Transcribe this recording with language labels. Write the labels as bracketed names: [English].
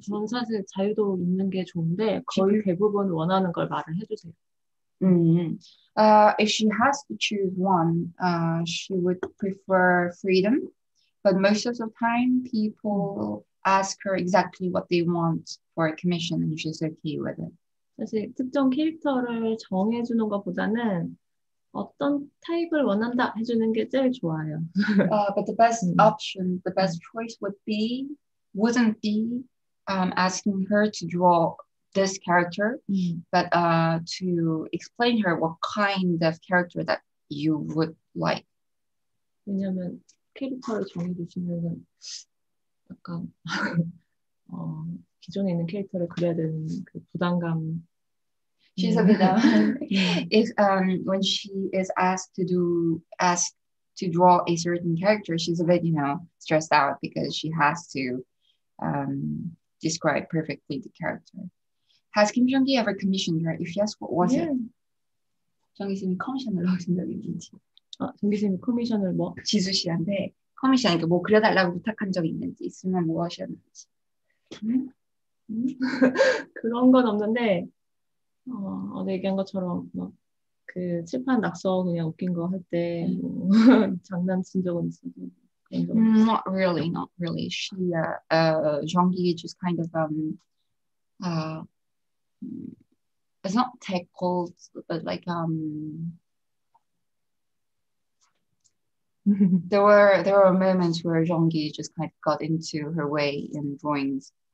[Korean] 저는 사실 자유도 있는 게 좋은데 거의 대부분 원하는 걸 말을 해주세요. [English] If she has to choose one, she would prefer freedom. But most of the time, people ask her exactly what they want for a commission and she's okay with it. [Korean] 사실 특정 캐릭터를 정해주는 것보다는 어떤 타입을 원한다 해주는 게 제일 좋아요. [English] But the best option, the best choice would be, wouldn't be asking her to draw this character, but to explain her what kind of character that you would like. [Korean] 왜냐면 캐릭터를 정해주시면은 약간 기존에 있는 캐릭터를 그려야 되는 그 부담감. [English] She's a bit if when she is asked to draw a certain character, she's a bit you know stressed out because she has to describe perfectly the character. Has Kim Jong-gi ever commissioned her? If yes, what was it? [Korean] 정기쌤이 커미션을 하신 적이 있는지. 정기쌤이 커미션을 뭐? 지수 씨한테. 커미션 이렇게 뭐 그려달라고 부탁한 적 있는지 있으면 무엇이었는지 그런 건 없는데 어제 얘기한 것처럼 막 그 칠판 낙서 그냥 웃긴 거 할 때 장난친 적은 있어요. [English] Not really, not really. She, Jeonggi just kind of it's not tackled, but like There were moments where Jeonggi just kind of got into her way in drawings.